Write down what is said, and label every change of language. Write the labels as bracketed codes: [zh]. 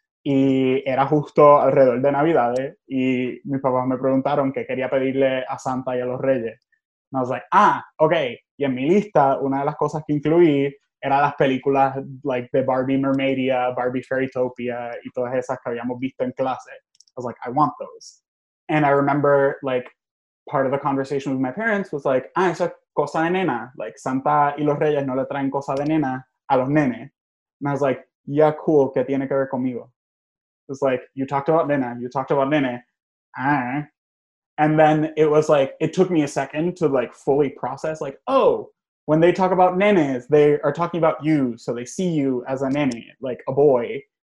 [es] Y era justo alrededor de Navidad. Y mis papás me preguntaron que quería pedirle a Santa y a los Reyes. [en] And I was like, ah, okay. [es] Y en mi lista, una de las cosas que incluí era las películas like the Barbie Mermaidia, Barbie Fairytopia, y todas esas que habíamos visto en clase. [en] I was like, I want those. And I remember, like, part of the conversation with my parents was like, ah, [es] eso es cosa de nena. Like, Santa y los Reyes no le traen cosa de nena a los nenes. [en] And I was like, yeah, cool, [es] ¿qué tiene que ver conmigo? [en] It was like, you talked about nena, you talked about nene. Ah. And then it was like, it took me a second to, like, fully process, like, oh, when they talk about nenes, they are talking about you, so they see you as a nene, like a boy.